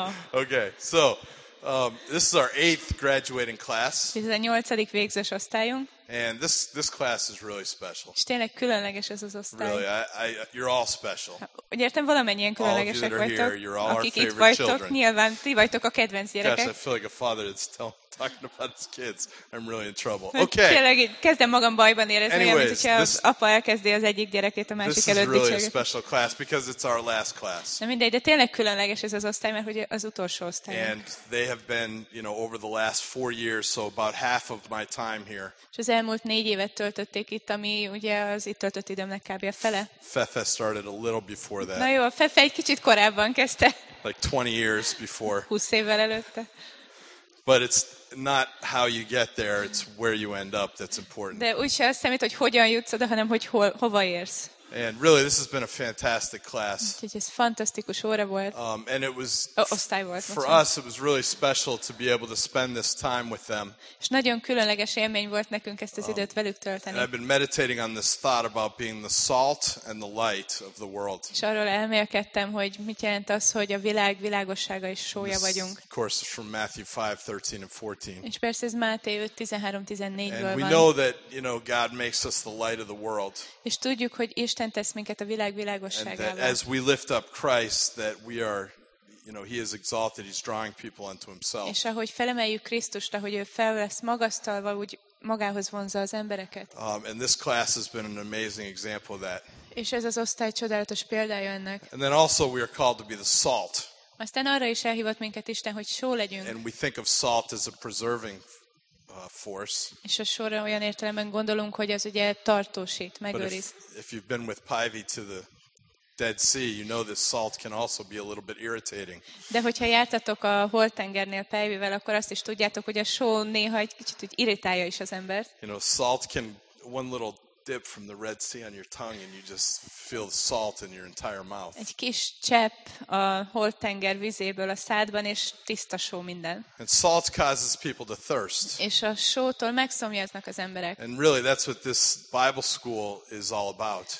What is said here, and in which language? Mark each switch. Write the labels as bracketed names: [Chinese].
[English] Okay, so this is our 8th graduating class. [Hungarian] Ez a 8. végzős osztályunk. [English] And this class is really special. [Hungarian] És tényleg különleges ez az osztály. [English] Really, you're all special. [Hungarian] Úgy értem, valamennyien különlegesek vagytok. [English] All of you that are here, you're all our favorite children. [Hungarian] Akik itt vagytok, nyilván ti vagytok a kedvenc gyerekek. [English] Gosh, I feel like a father that's talking about his kids. I'm really in trouble. Okay. [Hungarian] Tényleg kezdem magam bajban érezni, mint hogyha az apa elkezdi az egyik gyerekét a másik előtt dicsérni. [English] This is really a special class because it's our last class. [Hungarian] Na mindegy, de tényleg különleges ez az osztály, mert hogy az utolsó osztály. [English] And they have been, you know, over the last 4 years, so about half of my time here. [Hungarian] Az elmúlt 4 évet töltötték itt, ami ugye az itt töltött időmnek kb. A fele. [English] Fefe started a little before that. [Hungarian] Na jó, a Fefe egy kicsit korábban kezdte. [English] Like 20 years before. [Hungarian] 20 évvel előtte. [English] But it's not how you get there, it's where you end up that's important. [Hungarian] De úgy sem azt számít, hogy hogyan jutsz oda, hanem hogy hova érsz. [English] And really, this has been a fantastic class. [Hungarian] Úgyhogy ez fantasztikus óra volt. [English] And it was [Hungarian] osztály volt. [English] For us, it was really special to be able to spend this time with them. [Hungarian] És nagyon különleges élmény volt nekünk ezt az időt velük tölteni. [English] And I've been meditating on this thought about being the salt and the light of the world. [Hungarian] És arról elmélkedtem, hogy mit jelent az, hogy a világ világossága és sója vagyunk. [English] Of course, from Matthew 5:13-14. [Hungarian] És persze ez Máté 5:13-14-ből van. [English] And we know that, you know, God makes us the light of the world. [Hungarian] És tudjuk, hogy Isten tesz minket a világ világosságával. [English] And that as we lift up Christ, that we are, you know, he is exalted, he's drawing people unto himself. [Hungarian] És ahogy felemeljük Krisztust, ahogy ő fel lesz magasztalva, úgy magához vonza az embereket. [English] And this class has been an amazing example of that. [Hungarian] És ez az osztály csodálatos példája ennek. [English] And then also we are called to be the salt. [Hungarian] Aztán arra is elhívott minket Isten, hogy só legyünk. [English] And we think of salt as a preserving force. [Hungarian] És a sorra olyan értelemben gondolunk, hogy az ugye tartósít, megőriz. [English] If you've been with Pivy to the Dead Sea, you know that salt can also be a little bit irritating. [Hungarian] De hogyha jártatok a Holtengernél Pivyvel, akkor azt is tudjátok, hogy a só néha egy kicsit úgy irritálja is az embert. [English] You know, salt can one little dip from the Red Sea on your tongue and you just feel the salt in your entire mouth. [Hungarian] Egy kis csepp a Holtenger vizéből a szádban, és tiszta só minden. [English] And salt causes people to thirst. [Hungarian] És a sótól megszomjaznak az emberek. [English] And really, that's what this Bible school is all about.